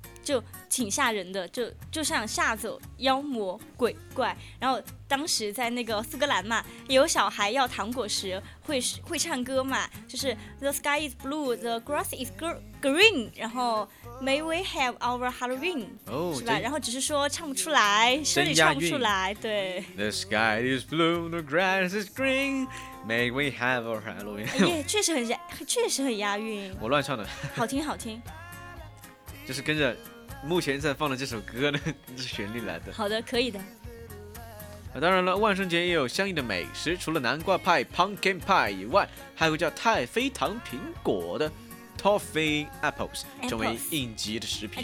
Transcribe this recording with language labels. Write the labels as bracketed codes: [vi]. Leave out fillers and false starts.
[zh] 就挺吓人的，就像吓走妖魔鬼怪。然后当时在那个苏格兰嘛，有小孩要糖果时会唱歌嘛，就是 [en] The sky is blue, the grass is green， [zh] 然后 [en] May we have our Halloween、 [zh] 哦、是吧，然后只是说唱不出来，真押韵，唱不出来，对， [en] The sky is blue, the grass is green，May we have our Halloween？ [zh] 确实很押韵。我乱唱的。好听，好听。就是跟着目前在放的这首歌的旋律来的。好的，可以的。当然了，万圣节也有相应的美食，除了南瓜派 （pumpkin pie） 以外，还有叫太妃糖苹果的 （toffee apples） 成为应急的食品。